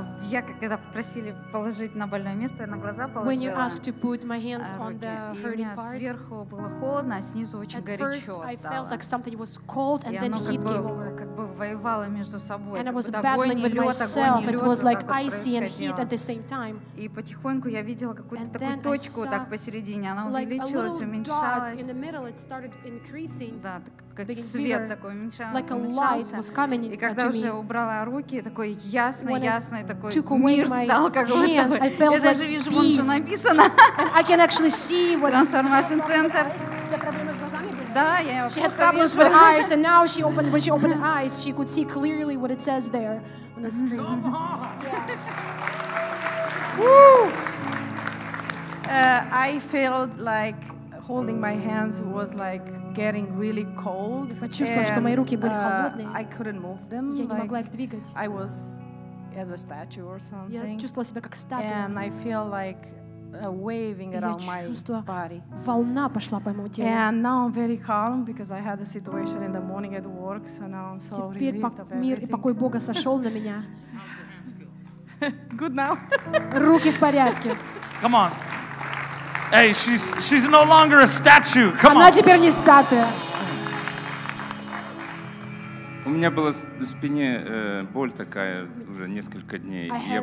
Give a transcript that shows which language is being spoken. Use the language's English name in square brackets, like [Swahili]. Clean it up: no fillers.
[Russian] Я когда попросили положить на больное место, я на глаза положила. [English] When you asked to put my hands on the hurting part. [Russian] И у меня сверху было холодно, а снизу очень горячо стало. [English] At first I felt like something was cold, and then heat came over. [Russian] Как бы воевала между собой. [English] And I was battling with myself. It was like icy and heat at the same time. [Russian] И потихоньку я видела какую-то такую точку так посередине, она увеличилась, уменьшалась. [English] In the middle it started increasing. [Russian] Да, как свет такой уменьшался. [English] Like a light was coming. [Russian] И когда уже убрала руки, такой ясный. [English] Took away [Russian] мир стал как бы. Я даже like вижу, Вон что написано. [English] I can actually see what transformation center. [Russian] Да, я [English] she had problems with eyes, and now she opened. When she opened eyes, she could see clearly what it says there on the screen. Come on. Yeah. Woo. I felt like holding my hands was like getting really cold. [Russian] Почувствовала, что мои руки были холодные. [English] I couldn't move them. [Russian] Я не могла их двигать. [English] I was as a statue or something. [Russian] Я чувствовала себя как статуя. [English] And I feel like waving around my body. [Russian] Волна пошла по моему телу. [English] And now I'm very calm because I had a situation in the morning at work, so now I'm so relieved of everything. [Russian] Теперь мир и покой Бога сошел на меня. [English] Good now. [Russian] Руки в порядке. [English] Come on. Hey, she's no longer a statue. Come [Russian] Она теперь не статуя. У меня была в спине боль такая уже несколько дней.